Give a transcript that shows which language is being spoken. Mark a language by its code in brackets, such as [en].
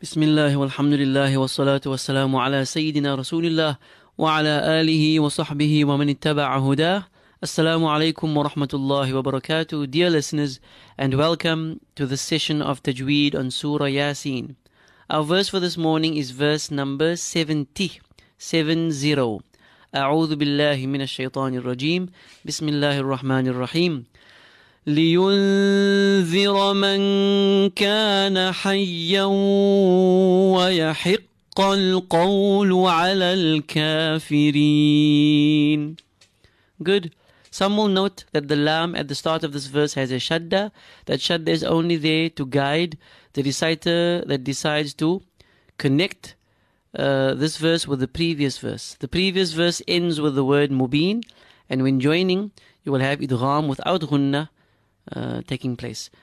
[ar] بسم الله والحمد لله والصلاة والسلام على سيدنا رسول الله وعلى آله وصحبه ومن اتبع هداه. السلام عليكم ورحمة الله وبركاته. [en] Dear listeners, and welcome to the session of Tajweed on Surah Yaseen. Our verse for this morning is verse number 70. [ar] أعوذ بالله من الشيطان الرجيم. بسم الله الرحمن الرحيم. لينذر من كان حيا ويحق القول على الكافرين. [en] Good. Some will note that the lam at the start of this verse has a shadda. That shadda is only there to guide the reciter that decides to connect this verse with the previous verse. The previous verse ends with the word mubeen, and when joining, you will have idgham without ghunnah taking place.